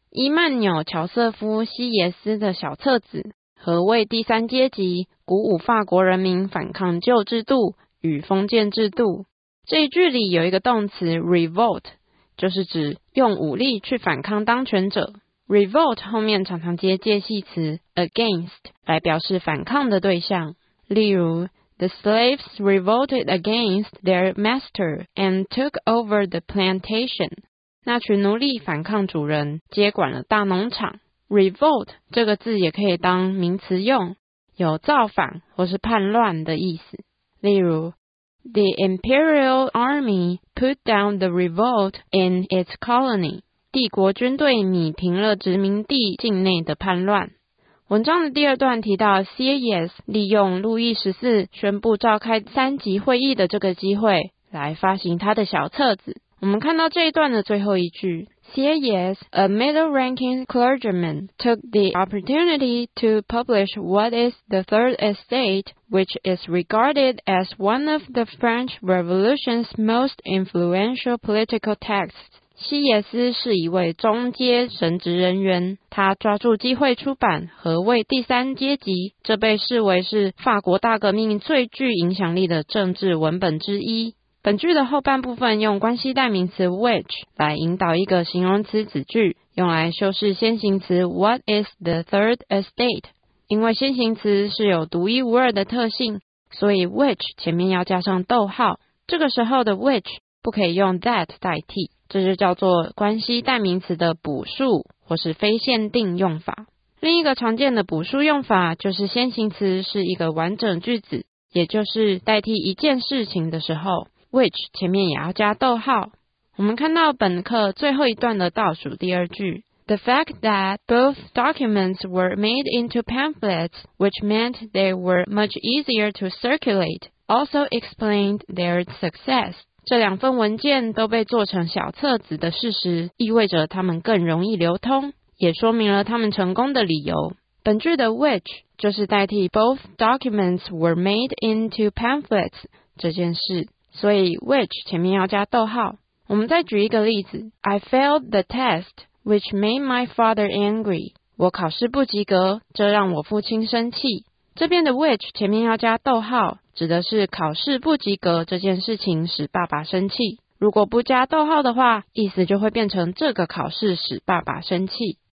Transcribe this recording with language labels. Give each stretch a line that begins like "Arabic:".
Chinese: 伊曼纽·乔瑟夫·西耶斯的小册子《何谓第三阶级》鼓舞法国人民反抗旧制度与封建制度，这一句里有一个动词 revolt， 就是指用武力去反抗当权者。 revolt 后面常常接介系词 against 来表示反抗的对象，例如
English: The slaves revolted against their master and took over the plantation。
Chinese: 那群奴隶反抗主人，接管了大农场。 revolt 这个字也可以当名词用，有造反或是叛乱的意思。例如
English: The Imperial Army put down the revolt in its colony。
Chinese: 帝国军队拟平了殖民地境内的叛乱。文章的第二段提到 Sieyès 利用路易十四宣布召开三级会议的这个机会来发行他的小册子。我们看到这一段的最后一句
English: Sieyès, a middle-ranking clergyman, took the opportunity to publish What is the Third Estate, which is regarded as one of the French Revolution's most influential political texts.
Chinese: 西耶斯是一位中阶神职人员，他抓住机会出版《何谓第三阶级》，这被视为是法国大革命最具影响力的政治文本之一。本句的后半部分用关系代名词 which 来引导一个形容词子句，用来修饰先行词
English: What is the third estate？
Chinese: 因为先行词是有独一无二的特性，所以 which 前面要加上逗号。这个时候的 which 不可以用 that 代替，这就叫做关系代名词的补述或是非限定用法。另一个常见的补述用法就是先行词是一个完整句子，也就是代替一件事情的时候，which 前面也要加逗号。我们看到本课最后一段的倒数第二句
English: The fact that both documents were made into pamphlets, which meant they were much easier to circulate, also explained their success.
Chinese: 这两份文件都被做成小册子的事实，意味着他们更容易流通，也说明了他们成功的理由。本句的 which 就是代替
English: both documents were made into pamphlets
Chinese: 这件事，所以 which 前面要加逗号。我们再举一个例子
English: I failed the test, which made my father angry.
Chinese: 我考试不及格，这让我父亲生气。这边的 which 前面要加逗号，指的是考试不及格这件事情使爸爸生气。如果不加逗号的话，意思就会变成这个考试使爸爸生气。